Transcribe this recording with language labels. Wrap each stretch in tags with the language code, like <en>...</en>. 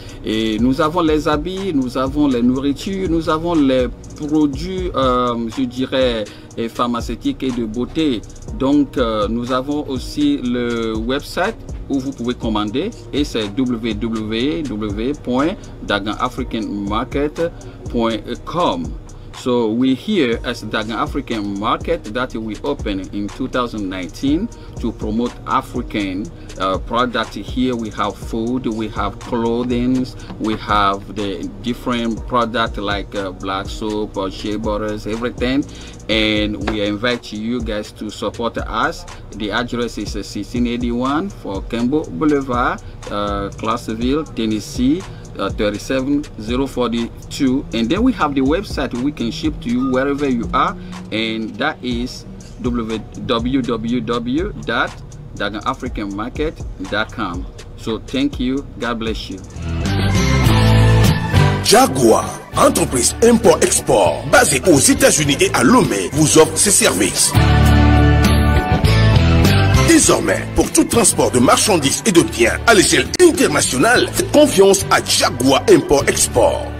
<fr>Et nous avons les habits, nous avons les nourritures, nous avons les produits, je dirais, et pharmaceutiques et de beauté. Donc, nous avons aussi le website où vous pouvez commander et c'est www.daganafricanmarket.com.</fr> <en>So, we here as Dagen African Market that we opened in 2019 to promote African products. Here we have food, we have clothing, we have the different products like black soap or shea butters, everything. And we invite you guys to support us. The address is 1681 Fokembo Boulevard, Clarksville, Tennessee. 37042, and then we have the website we can ship to you wherever you are, and that is www.daganafricanmarket.com. So thank you. God bless you.</en> <fr>Jaguar, entreprise import-export, basée aux États-Unis et à Lomé, vous offre ses services. Désormais, pour tout transport de marchandises et de biens à l'échelle internationale, faites confiance à Jaguar Import Export.</fr>